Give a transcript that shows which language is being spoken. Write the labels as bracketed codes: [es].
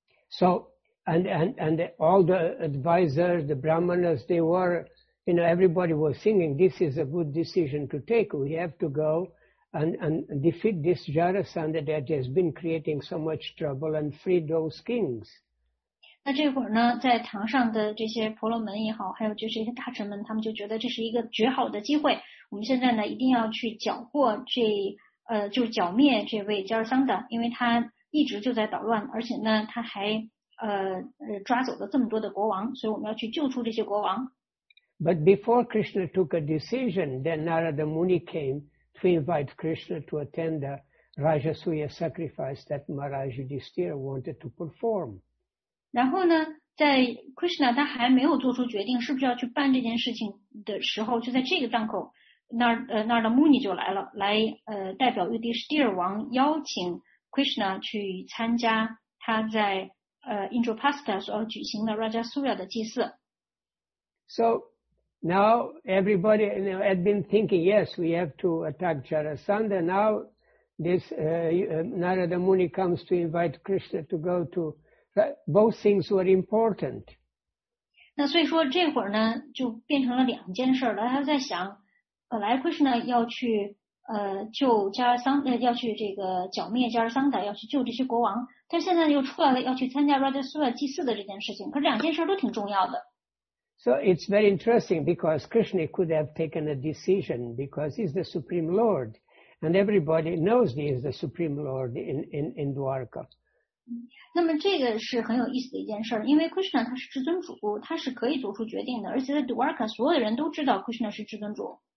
[en] So and all the advisors, the brahmanas, they were, you know, everybody was thinking this is a good decision to take. We have to go and defeat this Jarasandha that has been creating so much trouble and free those kings. [zh] 那这会儿呢，在堂上的这些婆罗门也好，还有就是这些大臣们，他们就觉得这是一个绝好的机会。我们现在呢，一定要去剿灭这位Jarasandha，因为他一直就在捣乱，而且呢，他还抓走了这么多的国王，所以我们要去救出这些国王。 [en] But before Krishna took a decision, then Narada Muni came to invite Krishna to attend the Rajasuya sacrifice that Maharaj Yudhishthira wanted to perform. [zh] 然后呢，在 Krishna 他还没有做出决定是不是要去办这件事情的时候，就在这个档口，Narada Muni 就来了，来代表 Yudhishthira 王邀请 Krishna 去参加他在Indraprastha 所举行的 Rajasuya 的祭祀。 [en] So now everybody, you know, had been thinking, yes, we have to attack Jarasandha. Now this Narada Muni comes to invite Krishna to go to. Both things were important. [zh] 那所以说这会儿呢，就变成了两件事了。他在想，本来 Krishna 要去救加尔桑达，要去这个剿灭加尔桑达，要去救这些国王。但现在又出来了，要去参加 Radheswar 祭祀的这件事情。可是两件事都挺重要的。 [en] So it's very interesting because Krishna could have taken a decision because he's the Supreme Lord, and everybody knows he is the Supreme Lord in Dwarka. [zh] 那么这个是很有意思的一件事，因为 Krishna 他是至尊主，他是可以做出决定的，而且在 Dwarka 所有的人都知道 Krishna 是至尊主。